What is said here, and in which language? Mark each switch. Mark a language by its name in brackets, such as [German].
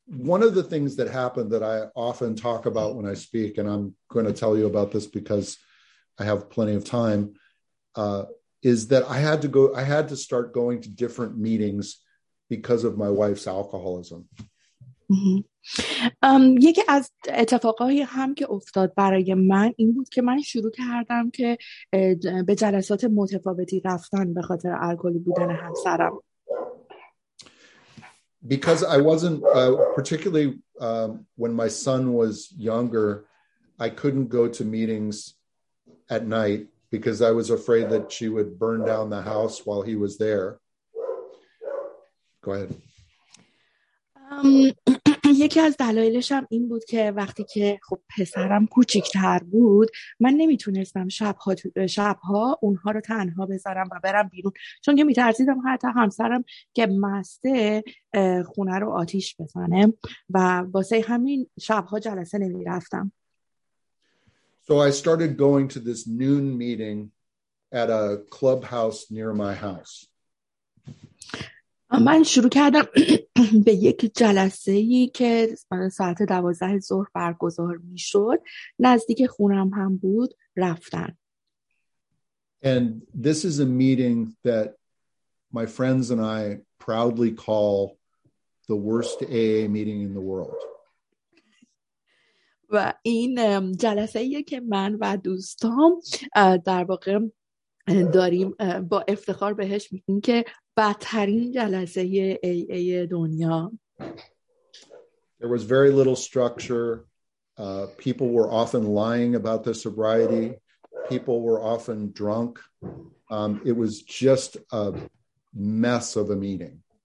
[English] One of the things that happened that I often talk about when I speak, and I'm going to tell you about this because I have plenty of time, is that I had to start going to different meetings because of my wife's alcoholism. [Persian] یکی از اتفاقایی هم که افتاد برای من این بود که من شروع کردم که به جلسات متفاوتی رفتن به خاطر الکلی بودن همسرم. [English] Because I wasn't particularly when my son was younger, I couldn't go to meetings at night because I was afraid that she would burn down the house while he was there. Go ahead. [Persian] یکی از دلایلش هم این بود که وقتی که خب پسرم کوچیک‌تر بود، من نمیتونستم شب‌ها اونها رو تنها بذارم و برم بیرون، چون که میترسیدم حتی همسرم که مسته خونه رو آتیش بزنه، و واسه همین شب‌ها جلسه نمیرفتم. [English] So I started going to this noon meeting at a clubhouse near my house. [Persian] من شروع کردم به یک جلسه‌ای که ساعت 12 ظهر برگزار می‌شد، نزدیک خونم هم بود، رفتن. [English] And this is a meeting that my friends and I proudly call the worst AA meeting in the world. [Persian] و این جلسه‌ای که من و دوستام در واقع داریم با افتخار بهش میگیم که بدترین جلسه AA دنیا. [English] There was very little structure. People were often lying about their sobriety. People were often drunk. It was just a mess of a meeting.